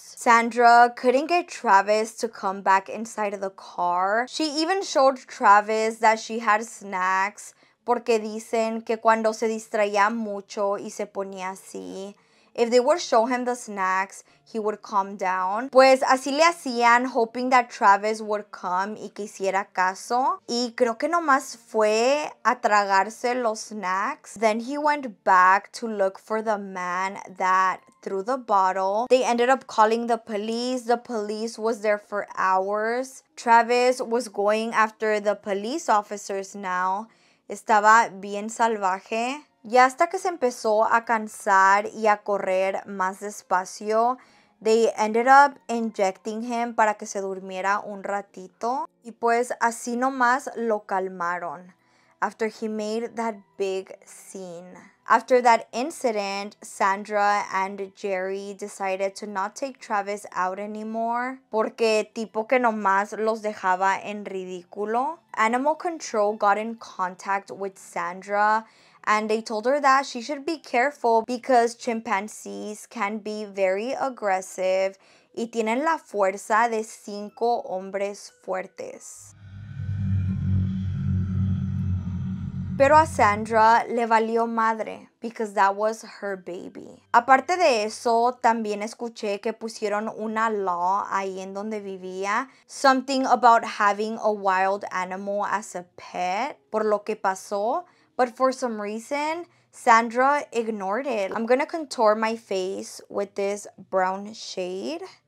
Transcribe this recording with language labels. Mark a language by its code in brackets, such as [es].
[en] Sandra couldn't get Travis to come back inside of the car. She even showed Travis that she had snacks, [es] porque dicen que cuando se distraía mucho y se ponía así, [en] if they would show him the snacks, he would calm down. [es] Pues así le hacían, [en] hoping that Travis would come [es] y que hiciera caso. Y creo que nomás fue a tragarse los snacks. [en] Then he went back to look for the man that threw the bottle. They ended up calling the police. The police was there for hours. Travis was going after the police officers now. [es] Estaba bien salvaje. Y hasta que se empezó a cansar y a correr más despacio, [en] they ended up injecting him [es] para que se durmiera un ratito. Y pues así nomás lo calmaron. [en] After he made that big scene. After that incident, Sandra and Jerry decided to not take Travis out anymore. [es] Porque tipo que nomás los dejaba en ridículo. [en] Animal Control got in contact with Sandra. And they told her that she should be careful because chimpanzees can be very aggressive [es] y tienen la fuerza de 5 hombres fuertes. Pero a Sandra le valió madre [en] because that was her baby. [es] Aparte de eso, también escuché que pusieron una law ahí en donde vivía. [en] Something about having a wild animal as a pet. [es] Por lo que pasó. [en] But for some reason, Sandra ignored it. I'm gonna contour my face with this brown shade.